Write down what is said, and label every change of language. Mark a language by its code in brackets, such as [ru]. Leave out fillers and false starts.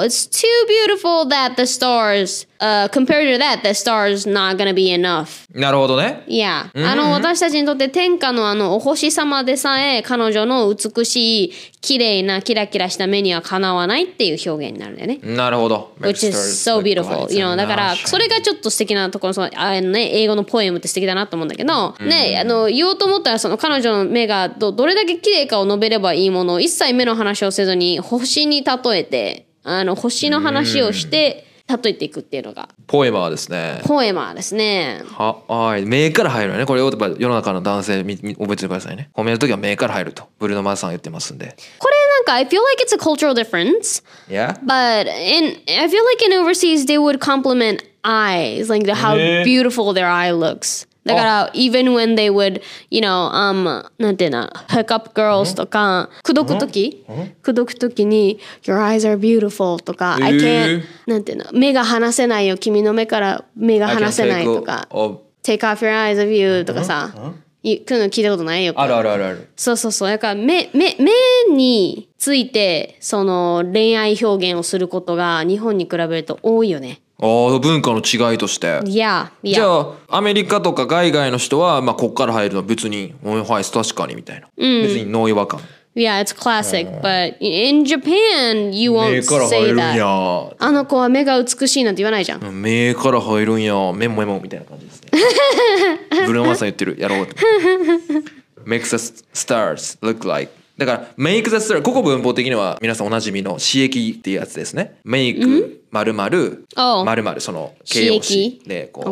[en] It's too beautiful that the stars, compared to that, the stars not gonna be enough. [ja] なるほどね。 [en] Yeah.、Mm-hmm. [ja] 私たちにとって天下のお星様でさえ彼女の美しい、綺麗な、キラキラした目にはかなわないっていう表現になるんだよね。なるほど。 [en] Which is so beautiful. You know, [ja] だから、それがちょっと素敵なところ、その、ね、英語のポエムって素敵だなと思うんだけど、ね、mm-hmm. 言おうと思ったらその彼女の目が どれだけ綺麗かを述べればいいものを一切目の話をせずに星に例えて星の話をして例えていくっていうのがポエマーですねポエマーですねははい目から入るよねこれを世の中の男性覚えてくださいね褒めるときは目から入るとブルーノ・マーズさん言ってますんでこれなんか [en] I feel like it's a cultural difference yeah but in I feel like in overseas they would compliment eyes like how beautiful their eye looks だから、even when they would, you know, [ja] なんていうの、 [en] hook up girls [ja] とか、口説くとき、口説くときに、 [en] your eyes are beautiful とか、I can't, なんていうの、 [ja] 目が離せないよ、君の目から目が離せないとか、 [en] take off your eyes of you とかさ、 [ja] くんの聞いたことないよ。あるあるあるある。そうそうそう。だから、目について、その恋愛表現をすることが日本に比べると多いよね。ああ文化の違いとして。 [en] Yeah, yeah. [ja] じゃあアメリカとか海外の人はまあこっから入るのは別に、はい確かにみたいな。別にノー違和感。 [en] Yeah, it's classic, but in Japan you won't say that. [ja] 目から入るんや。あの子は目が美しいなんて言わないじゃん。目から入るんや。メモメモみたいな感じですね。ブルーノマーズさん言ってる。やろうって。 [en] Make the stars look like. [ja] だから [en] make the stars [ja] ここ文法的には皆さんおなじみの詩液っていうやつですね make 〇〇〇その形容詞でこう、